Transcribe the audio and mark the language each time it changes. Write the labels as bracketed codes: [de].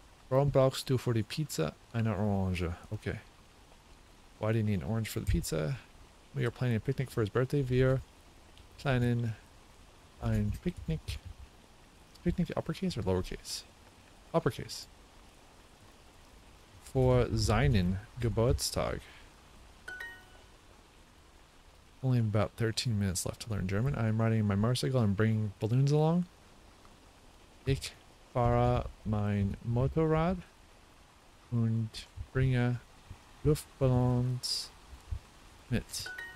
[de] Warum brauchst du für die Pizza eine Orange? [en] Okay. Why do you need an orange for the pizza? We are planning a picnic for his birthday. [de] Wir [en] planning [de] ein Picknick. [en] Is picnic uppercase or lowercase? Uppercase. For [de] seinen Geburtstag. [en] Only about 13 minutes left to learn German. I'm riding my motorcycle and bringing balloons along. [de] Ich fahre mein Motorrad und bringe Luftballons mit.